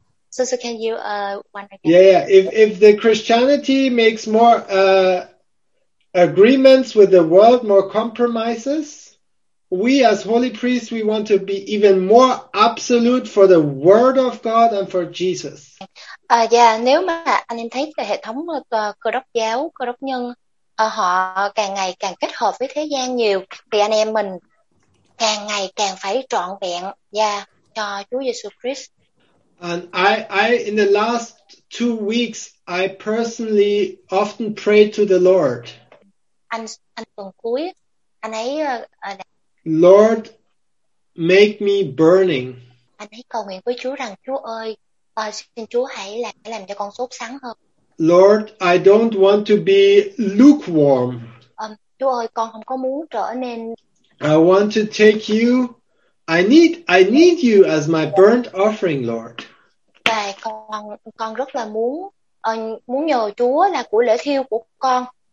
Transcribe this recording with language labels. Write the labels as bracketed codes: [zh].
[en] So can you one again? Yeah. If the Christianity makes more agreements with the world, more compromises, we as holy priests, we want to be even more absolute for the word of God and for Jesus. [vi] Nếu mà anh em thấy hệ thống cơ đốc giáo, cơ đốc nhân, họ càng ngày càng kết hợp với thế gian nhiều thì anh em mình càng ngày càng phải trọn vẹn cho Chúa Giêsu Christ. [en] And I in the last 2 weeks I personally often pray to the Lord. [vi] Anh tuần cuối anh ấy [en] Lord make me burning. [vi] Anh ấy cầu nguyện với Chúa rằng Chúa ơi, xin Chúa hãy làm cho con sốt sắng hơn. [en] Lord, I don't want to be lukewarm. [vi] Chúa ơi, con không có muốn trở nên. [en] I want to take you. I need you as my burnt offering, Lord. [vi] Và con rất là muốn nhờ Chúa là của lễ thiêu của con.